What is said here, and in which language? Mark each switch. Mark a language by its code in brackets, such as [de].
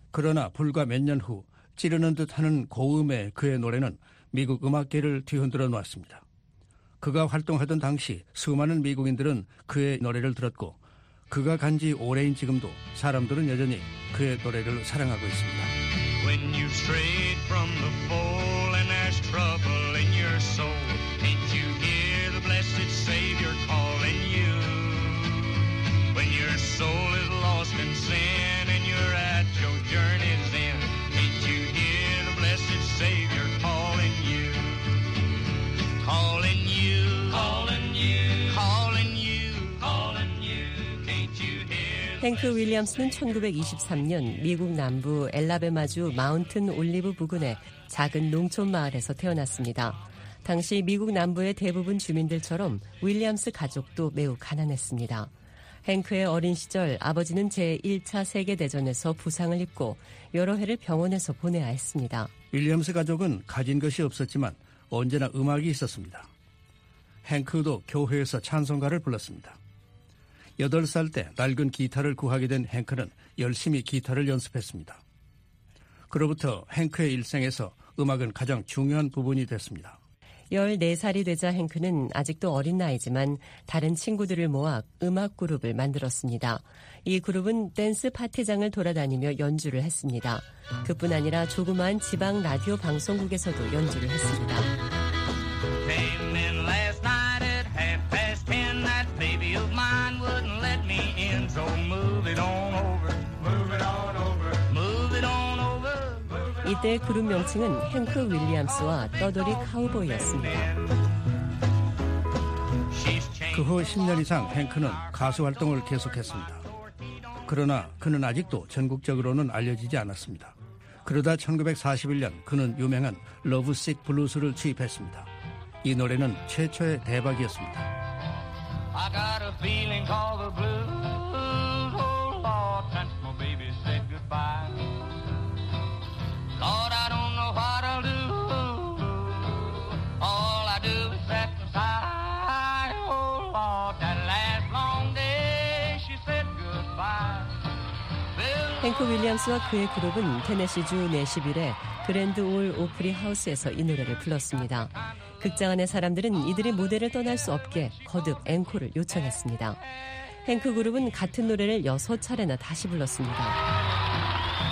[ko] 그러나 불과 몇 년 후 찌르는 듯하는 고음의 그의 노래는 미국 음악계를 뒤흔들어 놓았습니다. 그가 활동하던 당시 수많은 미국인들은 그의 노래를 들었고 그가 간 지 오래인 지금도 사람들은 여전히 그의 노래를 사랑하고 있습니다. [en] When you strayed from the fold and there's trouble in your soul, did you hear the blessed Savior calling you? When your soul is lost in sin and you're at your journey's end, did you hear the blessed Savior calling you? Calling you, calling you, calling you, calling you, can't you hear? [ko] 행크 윌리엄스는 1923년 미국 남부 엘라베마주 마운튼 올리브 부근의 작은 농촌 마을에서 태어났습니다. 당시 미국 남부의 대부분 주민들처럼 윌리엄스 가족도 매우 가난했습니다. 행크의 어린 시절 아버지는 제1차 세계대전에서 부상을 입고 여러 해를 병원에서 보내야 했습니다. 윌리엄스 가족은 가진 것이 없었지만 언제나 음악이 있었습니다. 행크도 교회에서 찬송가를 불렀습니다. 8살 때 낡은 기타를 구하게 된 행크는 열심히 기타를 연습했습니다. 그로부터 행크의 일생에서 음악은 가장 중요한 부분이 됐습니다. 14살이 되자 행크는 아직도 어린 나이지만 다른 친구들을 모아 음악 그룹을 만들었습니다. 이 그룹은 댄스 파티장을 돌아다니며 연주를 했습니다. 그뿐 아니라 조그마한 지방 라디오 방송국에서도 연주를 했습니다. [en] Came in last night at half past ten. That baby of mine wouldn't let me in. So move it on over. Move it on over. Move it on over. [ko] 이때 그룹 명칭은 행크 윌리엄스와 떠돌이 카우보이였습니다. 그 후 10년 이상 행크는 가수 활동을 계속했습니다. 그러나 그는 아직도 전국적으로는 알려지지 않았습니다. 그러다 1941년 그는 유명한 러브 식 블루스를 취입했습니다. 이 노래는 최초의 대박이었습니다. [en] I got a feeling called the blues. Oh Lord, since my baby said goodbye. Lord, I don't know what I'll do. All I do is set the side. Oh Lord, that last long day she said goodbye. [ko] 행크 윌리엄스와 그의 그룹은 테네시주 내시빌의 그랜드 올 오프리 하우스에서 이 노래를 불렀습니다. 극장 안의 사람들은 이들이 무대를 떠날 수 없게 거듭 앵콜을 요청했습니다. 행크 그룹은 같은 노래를 6차례나 다시 불렀습니다.